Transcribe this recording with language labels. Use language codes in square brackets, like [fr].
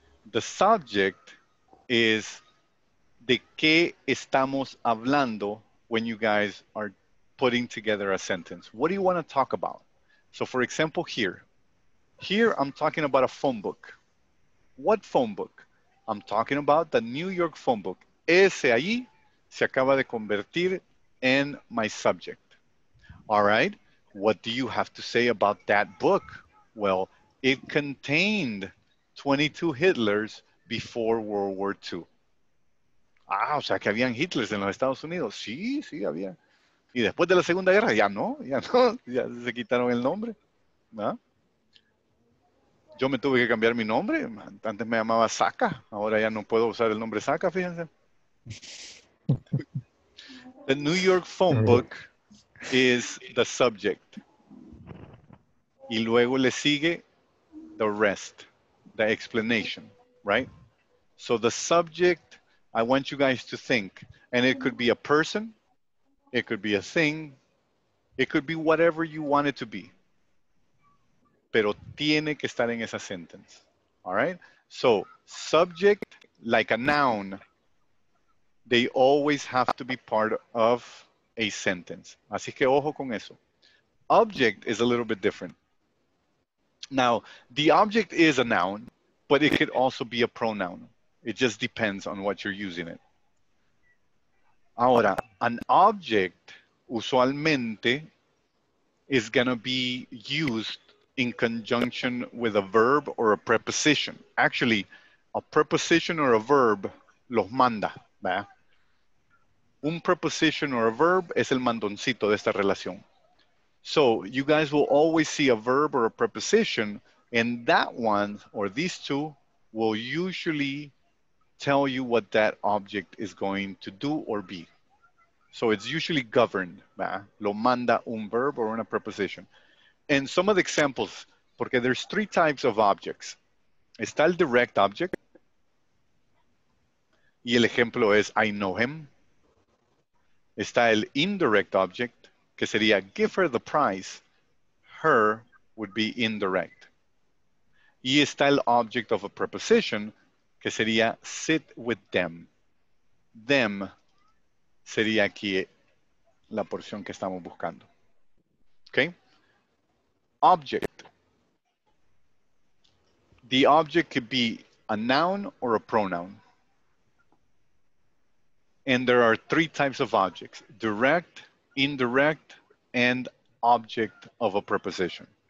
[en] The subject is [es] de qué estamos hablando [en] when you guys are putting together a sentence. What do you want to talk about? So for example, here I'm talking about a phone book. What phone book? I'm talking about the New York phone book. [es] Ese ahí se acaba de convertir en [en] my subject. All right, what do you have to say about that book? Well, it contained 22 Hitlers before World War II. [es] Ah, o sea, que habían Hitlers en los Estados Unidos. Sí, sí, había. Y después de la Segunda Guerra, ya no, ya no. Ya se quitaron el nombre. ¿No? Yo me tuve que cambiar mi nombre. Antes me llamaba Saca. Ahora ya no puedo usar el nombre Saca, fíjense. [en] The New York phone book is the subject. [es] Y luego le sigue [en] the rest, the explanation, right? So the subject, I want you guys to think, and it could be a person, it could be a thing, it could be whatever you want it to be. [es] Pero tiene que estar en esa sentence, [en] all right? So subject, like a noun, they always have to be part of a sentence. [es] Así que ojo con eso. [en] Object is a little bit different. Now, the object is a noun, but it could also be a pronoun. It just depends on what you're using it. Ahora, an object usualmente is gonna be used in conjunction with a verb or a preposition. Actually, a preposition or a verb [es] los manda, ¿verdad? Un [en] preposition or a verb [es] es el mandoncito de esta relación. [en] So you guys will always see a verb or a preposition, and that one or these two will usually tell you what that object is going to do or be. So it's usually governed, [es] ¿verdad? Lo manda un [en] verb or una preposition. And some of the examples, porque there's three types of objects. [es] Está el direct object. Y el ejemplo es, [en] I know him. [es] Está el [en] indirect object, [es] que sería, [en] give her the prize. Her would be indirect. [es] Y está el [en] object of a preposition, [es] que sería, [en] sit with them. [es] Them sería aquí la porción que estamos buscando. [en] Okay? Object. The object could be a noun or a pronoun. And there are three types of objects: direct, indirect, and object of a preposition.